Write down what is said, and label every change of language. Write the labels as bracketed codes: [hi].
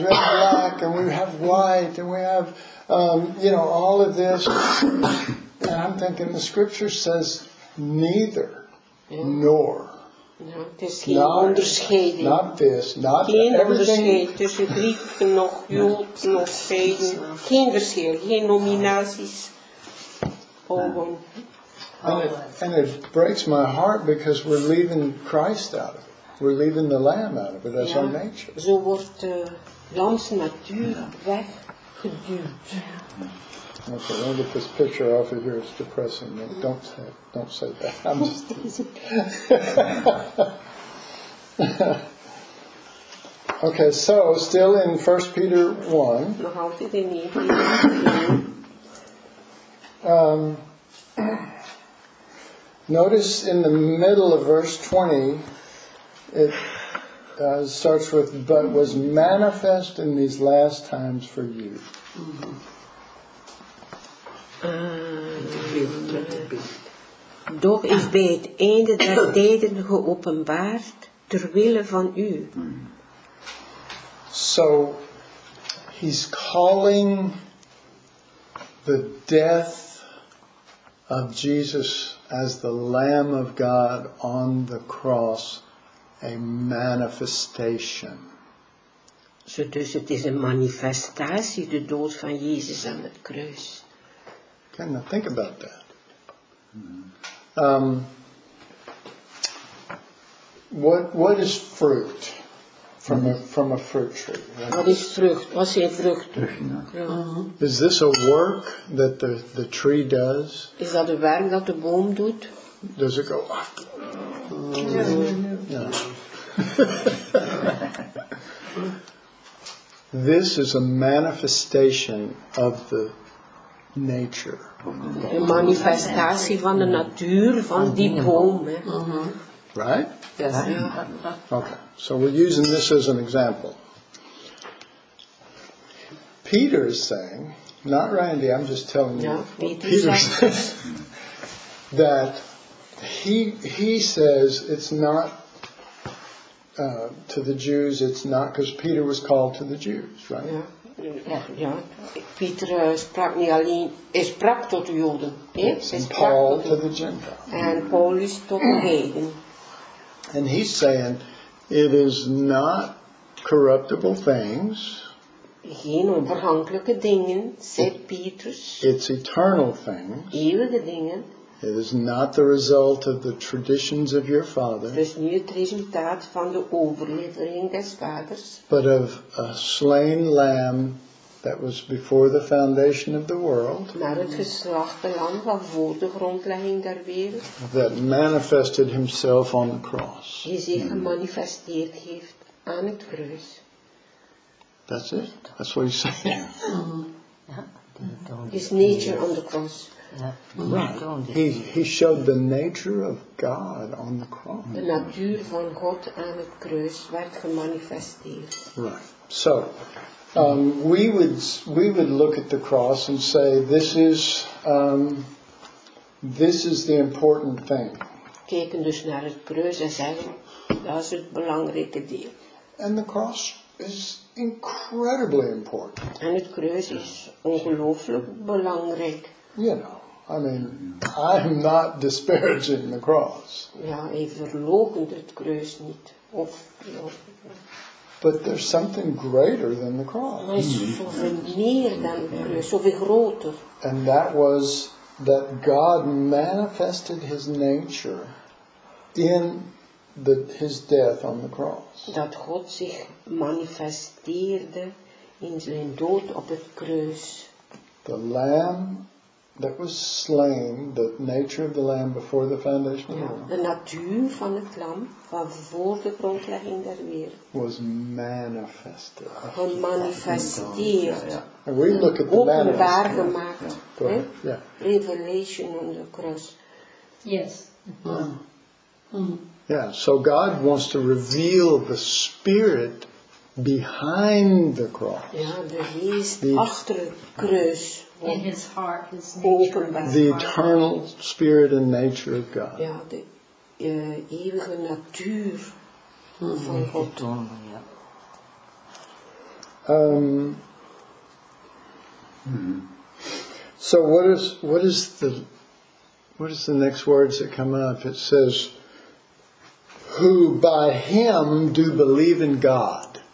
[en] We have black and we have white and we have, all of this. And I'm thinking the scripture says neither nor. [nl] No, het is geen onderscheiding. [en] Not this, not [nl] geen onderscheid tussen Griek, nog Jood, nog Heiden. Geen verschil, geen nominaties. [en] And it breaks my heart because we're leaving Christ out of it. We're leaving the Lamb out of it. That's our nature. [nl] Zo wordt Lam's natuur weggeduwd. [en] Okay, let me get this picture off of here. It's depressing. Don't say that. I'm just teasing. Okay, so still in 1 Peter 1. Notice in the middle of verse 20, it starts with, but was manifest in these last times for you. [nl] Doch is bij het einde der tijden geopenbaard ter wille van u. [en] So he's calling the death of Jesus as the Lamb of God on the cross a manifestation. [nl] So, dus het is een manifestatie, de dood van Jezus aan het kruis. [en] Now think about that. What is fruit from a fruit tree? What is fruit? What's a fruit? Is this a work that the tree does? Is that a [nl] werk [en] that the [nl] boom doet? [en] Does it go? No. This is a manifestation of the nature. [nl] Een manifestatie van de natuur van die boom. Hè. Mm-hmm. [en] Right? Yes. Okay, so we're using this as an example. Peter is saying, not Randy, I'm just telling you, Peter says that he says it's not to the Jews, it's not because Peter was called to the Jews, right? Yeah. [nl] Peter sprak niet alleen, hij sprak tot de Joden. En Paul tot de Gentiles. En Paulus tot de Heiden. [en] And he's saying, it is not corruptible things. [nl] Geen onvergankelijke dingen, zegt Petrus. [en] It's eternal things. [nl] Eeuwige dingen. [en] It is not the result of the traditions of your father. [nl] Het is niet het resultaat van de overlevering des vaders. [en] But of a slain lamb that was before the foundation of the world. [nl] Naar het geslachte lam van voor de grondlegging der wereld. [en] That manifested himself on the cross. [nl] Die zich gemanifesteerd heeft aan het kruis. [en] That's it. That's what he's saying. His nature on the cross. He showed the nature of God on the cross. [nl] De natuur van God aan het kruis werd gemanifesteerd. [en] Right. So, we would look at the cross and say this is the important thing. [nl] Kijken dus naar het kruis en zeggen dat is het belangrijke deel. [en] And the cross is incredibly important. [nl] En het kruis is ongelooflijk belangrijk. [en] You know. I mean, I'm not disparaging the cross. [nl] Ja, hij verloochent het kruis niet. Of. [en] But there's something greater than the cross. [nl] Maar is zoveel meer dan het kruis, zoveel groter. [en] And that was that God manifested his nature in his death on the cross. [nl] Dat God zich manifesteerde in zijn dood op het kruis. [en] The Lamb that was slain, the nature of the Lamb before the foundation of the world. [nl] De natuur van het lam van voor de grondlegging der wereld. [en] Was manifested. [nl] Gemanifesteerd. [en] And we look at the manifestation. [nl] Openbaar gemaakt. Yeah. [en] Yeah. Revelation on the cross. Yes. Yeah, so God wants to reveal the spirit behind the cross. [nl] Ja, de geest achter het kruis. [en] in his heart, his nature. The eternal spirit and nature of God. [nl] Ja, de eeuwige natuur van God. [en] So what is the next words that come up? It says, "Who by him do believe in God."